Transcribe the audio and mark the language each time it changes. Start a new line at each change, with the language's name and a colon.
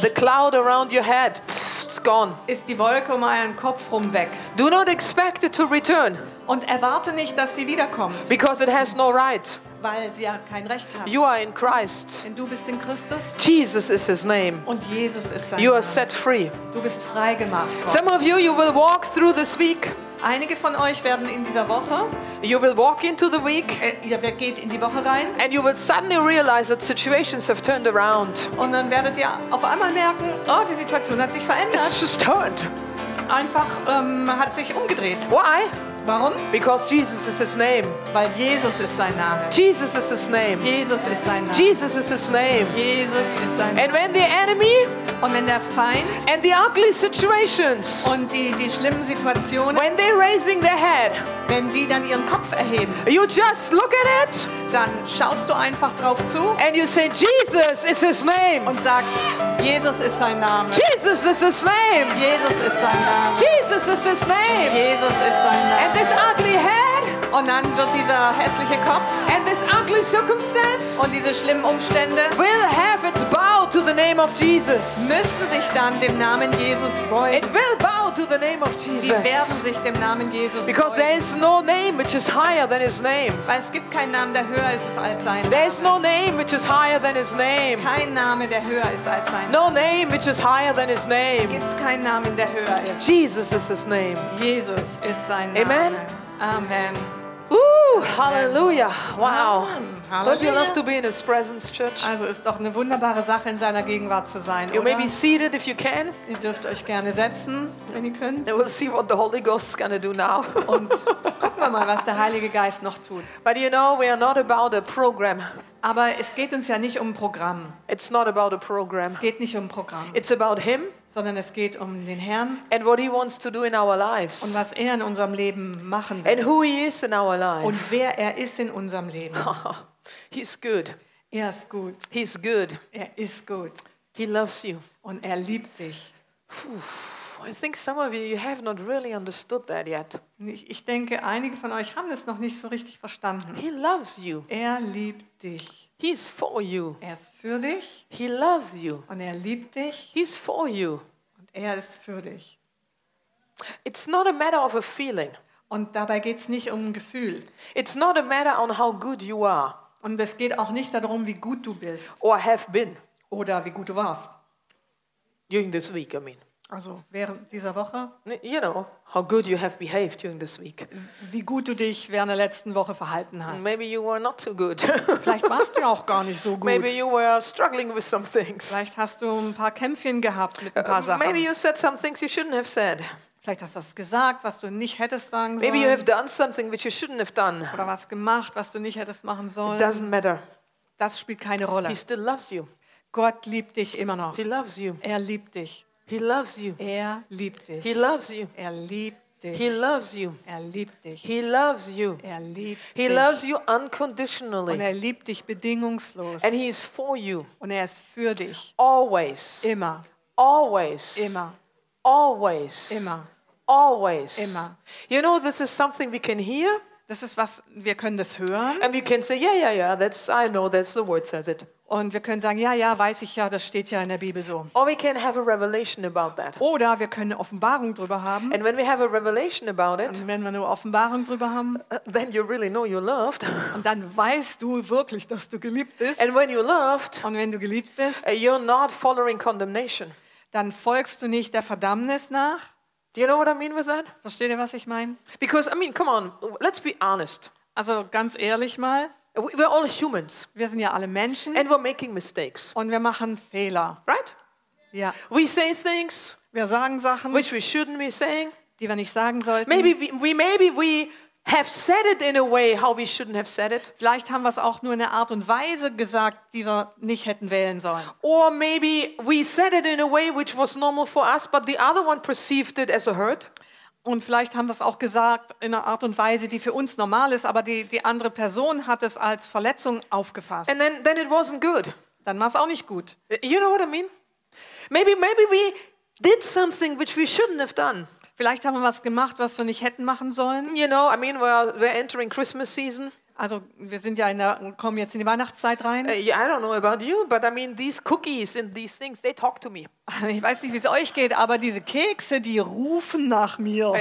English: the cloud around your head, pff, it's gone.
German: Ist die Wolke um euren Kopf rum weg.
English: Do not expect it to return.
German: Und erwarte nicht, dass sie wiederkommt.
English: Because it has no right.
German: Weil sie ja kein Recht hat.
English: You are in Christ.
German: Denn du bist in Christus.
English: Jesus is his name.
German: Und Jesus ist sein Name.
English: You are set free.
German: Du bist frei gemacht.
English: Some of you, you will walk through this week.
German: Einige von euch werden in dieser Woche,
English: you will walk into the week,
German: ihr geht in die Woche rein,
English: and you will suddenly realize that situations have turned around.
German: Und dann werdet ihr auf einmal merken, oh, die Situation hat sich verändert.
English: It's just turned.
German: Es einfach hat sich umgedreht.
English: Why?
German: Warum?
English: Because Jesus is his name.
German: Weil Jesus ist sein Name.
English: Jesus is his name.
German: Jesus ist sein Name.
English: Jesus is his name.
German: Jesus ist sein Name.
English: And when the enemy,
German: und wenn der Feind,
English: and the ugly situations,
German: und die schlimmen Situationen,
English: when they're raising their head,
German: wenn die dann ihren Kopf erheben,
English: you just look at it,
German: dann schaust du einfach drauf zu,
English: and you say Jesus is his name,
German: und sagst Jesus ist sein Name.
English: Jesus is his name.
German: Jesus ist sein Name.
English: Jesus is his name.
German: Jesus ist sein Name.
English: And this ugly head,
German: und dann wird dieser hässliche Kopf,
English: and this ugly circumstance,
German: und diese schlimmen Umstände,
English: will have its bow to the name of Jesus.
German: Müssen sich dann dem Namen Jesus beugen.
English: It will bow to the name of Jesus.
German: Sie werden sich dem Namen Jesus beugen.
English: Because there is no name which is higher than his name.
German: Weil es gibt keinen Namen, der höher ist als sein Name.
English: There is no name which is higher than his name.
German: Kein Name, der höher ist als sein Name.
English: No name which is higher than his name.
German: Gibt keinen Namen, der höher ist.
English: Jesus is his name.
German: Jesus ist sein Name.
English: Amen.
German: Amen.
English: Hallelujah. Wow. Don't you love to be in his presence, church?
German: Also ist doch eine wunderbare Sache, in seiner Gegenwart zu sein.
English: You may be seated if you can.
German: Ihr dürft euch gerne setzen, wenn ihr könnt.
English: And we'll see what the Holy Ghost is going to do now.
German: Und gucken wir mal, was der Heilige Geist noch tut.
English: But you know, we are not about a program.
German: Aber es geht uns ja nicht um Programm.
English: It's not about a program.
German: Es geht nicht um Programm.
English: It's about him.
German: Sondern es geht um den Herrn.
English: And what he wants to do in our lives.
German: Und was er in unserem Leben machen will.
English: And who he is in our life.
German: Und wer er ist in unserem Leben.
English: He's good.
German: Er ist gut.
English: He's good.
German: Er ist gut.
English: He loves you.
German: Und er liebt dich.
English: I think some of you have not really understood that yet.
German: Ich denke, einige von euch haben das noch nicht so richtig verstanden.
English: He loves you.
German: Er liebt dich.
English: He's for you.
German: Er ist für dich.
English: He loves you.
German: Und er liebt dich.
English: He's for you.
German: Und er ist für dich.
English: It's not a matter of a feeling.
German: Und dabei geht's nicht um ein Gefühl.
English: It's not a matter on how good you are.
German: Und es geht auch nicht darum, wie gut du bist.
English: Or have been.
German: Oder wie gut du warst.
English: During this week, I mean.
German: Also während dieser Woche.
English: You know, how good you have behaved during this week.
German: Wie gut du dich während der letzten Woche verhalten hast.
English: Maybe you were not too good.
German: Vielleicht warst du auch gar nicht so gut.
English: Maybe you were struggling with some things.
German: Vielleicht hast du ein paar Kämpfchen gehabt mit ein paar Sachen.
English: Maybe you said some things you shouldn't have said.
German: Vielleicht hast du was gesagt, was du nicht hättest sagen sollen.
English: Maybe you have done something which you shouldn't have done.
German: Oder was gemacht, was du nicht hättest machen sollen.
English: It doesn't matter.
German: Das spielt keine Rolle.
English: He still loves you.
German: Gott liebt dich immer noch.
English: He loves you.
German: Er liebt dich.
English: He loves you.
German: Er liebt dich.
English: He loves you.
German: Er liebt dich.
English: He loves you.
German: Er liebt dich.
English: He loves you.
German: Er liebt dich.
English: He loves you unconditionally.
German: Und er liebt dich bedingungslos.
English: And he is for you.
German: Und er ist für dich.
English: Always.
German: Immer.
English: Always.
German: Immer.
English: Always.
German: Immer.
English: Always.
German: Immer.
English: You know, this is something we can hear.
German: Das ist was, wir können das hören.
English: And we can say, that's, I know, that's the word says it.
German: Und wir können sagen, weiß ich ja, das steht ja in der Bibel so.
English: Or we can have a revelation about that.
German: Oder wir können eine Offenbarung drüber haben.
English: And when we have a revelation about it,
German: und wenn wir eine Offenbarung drüber haben,
English: then you really know you're loved.
German: Und dann weißt du wirklich, dass du geliebt bist.
English: And when you're loved,
German: und wenn du geliebt bist,
English: you're not following condemnation.
German: Dann folgst du nicht der Verdammnis nach.
English: Do you know what I mean with that?
German: Versteht ihr, was ich meine?
English: Because, I mean, come on, let's be honest.
German: Also ganz ehrlich mal.
English: We're all humans.
German: Wir sind ja alle Menschen.
English: And we're making mistakes.
German: Und wir machen Fehler.
English: Right? Yeah. We say things.
German: Wir sagen Sachen.
English: Which we shouldn't be saying.
German: Die wir nicht sagen sollten.
English: Maybe we have said it in a way how we shouldn't have said it.
German: Vielleicht haben wir es auch nur in einer Art und Weise gesagt, die wir nicht hätten wählen sollen.
English: Or maybe we said it in a way which was normal for us, but the other one perceived it as a hurt.
German: Und vielleicht haben wir es auch gesagt in einer Art und Weise, die für uns normal ist, aber die andere Person hat es als Verletzung aufgefasst.
English: And then it wasn't good.
German: Dann war es auch nicht gut.
English: You know what I mean? Maybe we did something which we shouldn't have done.
German: Vielleicht haben wir was gemacht, was wir nicht hätten machen sollen.
English: You know, I mean, we're entering Christmas season.
German: Also wir sind ja kommen jetzt in die Weihnachtszeit rein.
English: I don't know about you, but I mean, these cookies and these things, they talk to me.
German: Ich weiß nicht, wie es euch geht, aber diese Kekse, die rufen nach mir.